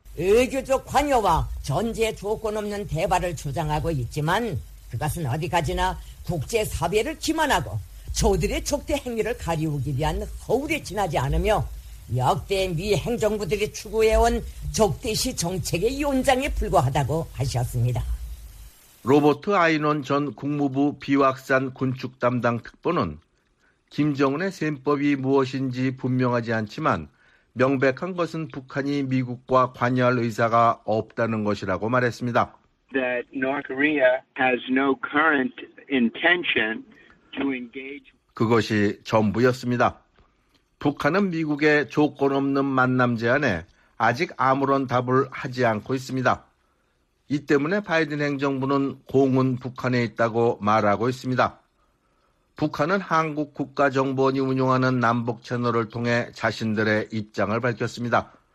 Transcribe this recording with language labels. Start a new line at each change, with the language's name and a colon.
Korean: 외교적 관여와 전제 조건 없는 대화를 주장하고 있지만 그것은 어디까지나 국제사회를 기만하고 저들의 적대 행위를 가리우기 위한 허울에 지나지 않으며 역대 미 행정부들이 추구해온 적대시 정책의 연장에 불과하다고 하셨습니다. 로버트 아이논 전 국무부 비확산 군축 담당 특보는 김정은의 셈법이 무엇인지 분명하지 않지만 명백한 것은 북한이 미국과 관여할 의사가 없다는 것이라고 말했습니다.
English: That North Korea has no current intention to engage.
Korean: 그것이 전부였습니다. 북한은 미국의 조건 없는 만남 제안에 아직 아무런 답을 하지 않고 있습니다. 이 때문에 바이든 행정부는 공은 북한에 있다고 말하고 있습니다. 북한은 한국 국가정보원이 운영하는 남북 채널을 통해 자신들의 입장을 밝혔습니다.